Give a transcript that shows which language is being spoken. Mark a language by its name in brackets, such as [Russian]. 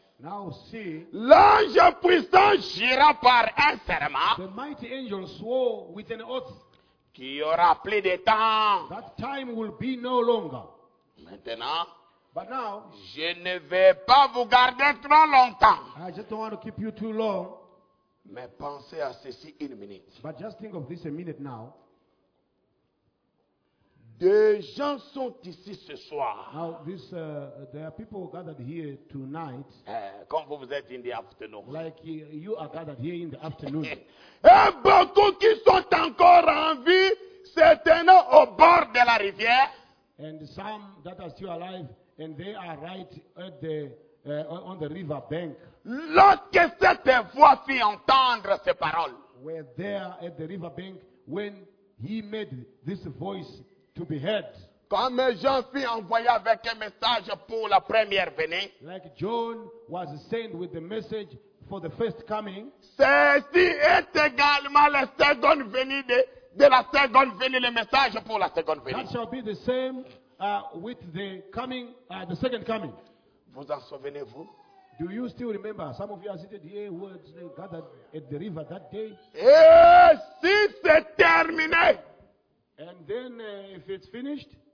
[English] Now see. [French] L'ange puissant jura par un serment. [English] The mighty angel swore with an oath. [French] Qu'il y aura plus de temps. [English] That time will be no longer. [French] Maintenant. [English] But now. [French] Je ne vais pas vous garder trop longtemps. [English] I just don't want to keep you too long. [French] Mais pensez à ceci une minute. [English] But just think of this a minute now. [French] Des gens sont ici ce soir. [English] Now this, there are people gathered here tonight. [French] Comme vous êtes [English] in the afternoon. Like you are gathered here in the afternoon. [French] Et beaucoup qui sont encore en vie, certainement au bord de la rivière. [English] And some that are still alive, and they are right at the on the river bank. [French] Lorsque cette voix fit entendre ces paroles, [English] were there at the riverbank when he made this voice to be heard. [French] Comme Jean fut envoyé avec un message pour la première venue. [English] Like John was sent with the message for the first coming. [French] Ceci est également la seconde venue de la seconde venue, le message pour la seconde venue. [English] That shall be the same with the coming, the second coming. [French] Vous en souvenez-vous? [English] Do you still remember? Some of you are seated here who were gathered at the river that day. [French] Et si c'est terminé? [English] And then if it's finished?